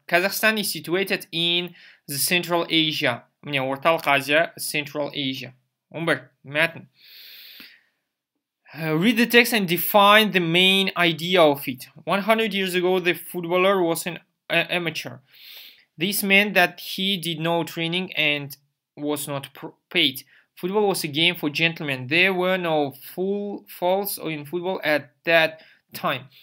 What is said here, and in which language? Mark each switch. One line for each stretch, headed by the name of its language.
English: Казахстан is situated in the Central Asia.
Kazakh: Міне, Орталық Азия, Central Asia. 11. Мәтін.
English: Read the text and define the main idea of it. 100 years ago, the footballer was an amateur. This meant that he did no training and was not paid. Football was a game for gentlemen. There were no faults in football at that time.